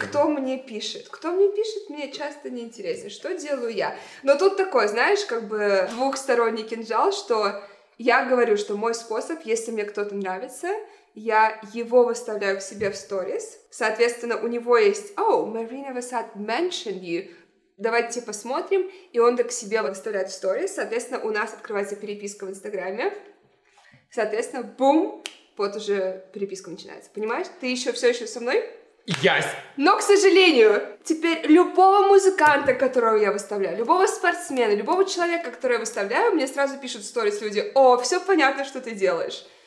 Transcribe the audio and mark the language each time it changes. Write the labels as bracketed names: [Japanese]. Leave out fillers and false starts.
[Russian] Кто мне пишет? Кто мне пишет, мне часто не интересно. Что делаю я? Но тут такое, знаешь, как бы двухсторонний кинжал, что я говорю, что мой способ, если мне кто-то нравится, я его выставляю к себе в сторис. Соответственно, у него есть... [English] Oh, Marina Vassad mentioned you. [Russian] Давайте посмотрим, и он так себе выставляет в сторис, соответственно, у нас открывается переписка в Инстаграме, соответственно, бум, вот уже переписка начинается, понимаешь? Ты еще все еще со мной? [English] Ясь. [Russian] Но, к сожалению, теперь любого музыканта, которого я выставляю, любого спортсмена, любого человека, которого я выставляю, мне сразу пишут в сторис люди: «О, все понятно, что ты делаешь».